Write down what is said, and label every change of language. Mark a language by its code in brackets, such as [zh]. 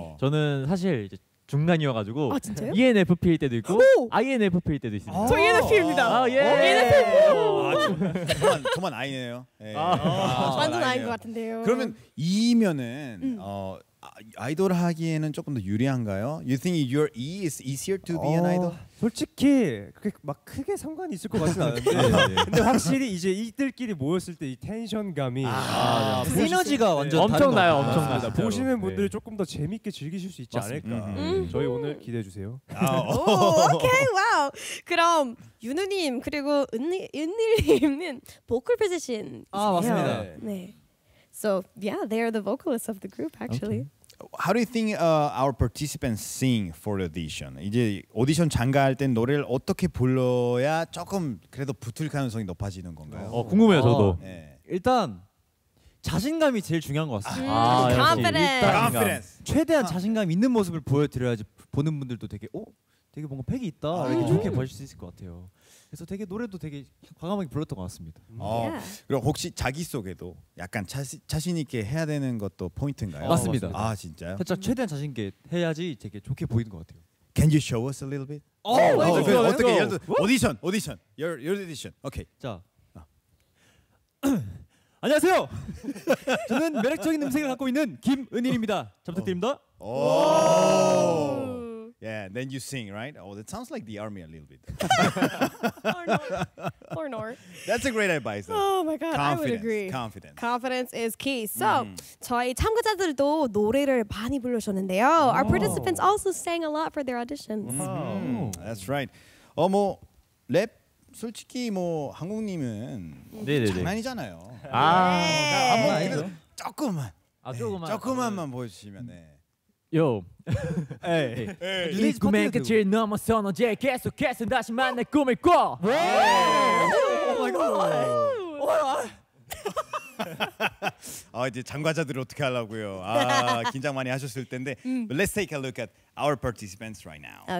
[ko] 저는 사실 이제 중간이어가지고 아, 진짜요? ENFP일 때도 있고 INFP일 때도 있습니다. 저 ENFP입니다. 아, 예. ENFP. 그만 I네요. 완전 I인 것 같은데요. 그러면 E면은 아이돌 하기에는 조금 더 유리한가요? [en] You think your E is easier to be an idol? [ko] 솔직히 그게 막 크게 상관이 있을 것 같진 않은데 근데 확실히 이제 이들끼리 모였을 때 이 텐션감이 시너지가 완전 엄청나요. 엄청나요. 보시는 분들이 네. 조금 더 재밌게 즐기실 수 있지 맞습니다. 않을까. 저희 오늘 기대해 주세요. 오케이. 와우. 그럼 윤우님 그리고 은일님은 보컬 포지션 아 맞습니다. 네. [en] So yeah, they are the vocalists of the group, actually. Okay. How do you think our participants sing for the audition? [ko] 이제 오디션 참가할 때 노래를 어떻게 불러야 조금 그래도 붙을 가능성이 높아지는 건가요? 궁금해요, 저도. 네. 일단 자신감이 제일 중요한 것 같습니다. [en] confidence. [ko] 자신감. 최대한 자신감 있는 모습을 보여드려야지 보는 분들도 되게 되게 뭔가 팩이 있다 이렇게 좋게 보실 수 있을 것 같아요. 그래서 되게 노래도 되게 과감하게 불렀던 것 같습니다. 그럼 혹시 자기소개도 약간 자신 있게 해야 되는 것도 포인트인가요? 맞습니다. 아 진짜요? 살짝 최대한 자신 있게 해야지 되게 좋게 보이는 것 같아요. [en] Can you show us a little bit? [ko] 어떻게 예를 들어 오디션 [en] your audition. 오케이. [ko] 자 안녕하세요. 저는 매력적인 음색을 갖고 있는 김은일입니다. 잘 부탁드립니다. [en] Yeah, then you sing, right? Oh, that sounds like the army a little bit. Poor Nor. That's a great advice. Though. Oh my God, confidence. I would agree. Confidence. Confidence is key. [ko] So, 저희 참가자들도 노래를 많이 불러줬는데요. [en] Our participants also sang a lot for their auditions. That's right. [ko] 뭐 랩 솔직히 뭐 한국님은 장난이잖아요. 아, 한번 그래도 조금만. 아, 조금만. 조금만만 보여주시면 네. [en] Yo. Hey. Hey. [ko] 꿈에 끝을 넘어서 넌 이제 계속해서 다시 만날 꿈을 꿔. [en] Oh my god. [ko] 아 이제 참가자들을 어떻게 하려고요. 아 긴장 많이 하셨을 텐데. [en] But let's take a look at our participants right now.